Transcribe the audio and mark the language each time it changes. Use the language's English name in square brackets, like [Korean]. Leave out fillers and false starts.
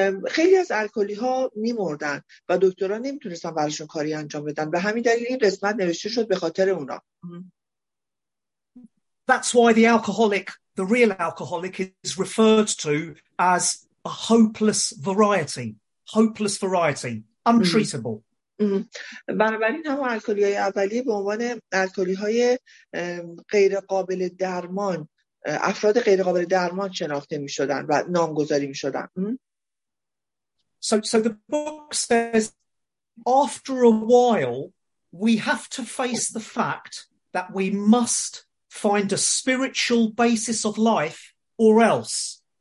[Persian] خیلی از الکلی ها می مردن و دکترها نمی تونستن برشون کاری انجام بدن. به همین دلیل این قسمت نوشته شد به خاطر اونا. [English] That's why the alcoholic, the real alcoholic, is referred to as a hopeless variety. Hopeless variety. Untreatable. [Persian] بنابراین همون الکلی های اولیه به عنوان الکلی های غیر قابل درمان افراد غیر قابل درمان شناخته می شدن و نامگذاری می شدن. [English] So the book says after a while we have to face the fact that we must find a spiritual basis of life or else.